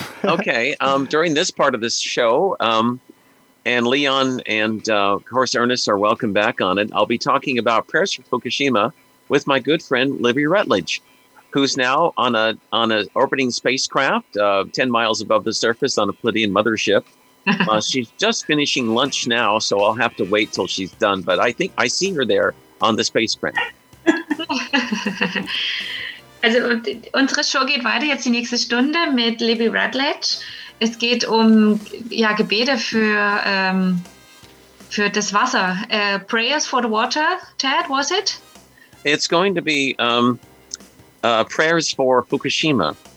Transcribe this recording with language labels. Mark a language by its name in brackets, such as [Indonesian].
[English] Okay, during this part of this show, and Leon and of course Ernest are welcome back on it, I'll be talking about Prayers for Fukushima with my good friend Libby Rutledge, who's now on a orbiting spacecraft 10 miles above the surface on a Pleiadian mothership. She's just finishing lunch now, so I'll have to wait till she's done. But I think I see her there on the spacecraft. [German] Also, unsere Show geht weiter jetzt die nächste Stunde mit Libby Rutledge. Es geht ja, Gebete für das Wasser. [English] Prayers for the water, Ted, was it? It's going to be prayers for Fukushima.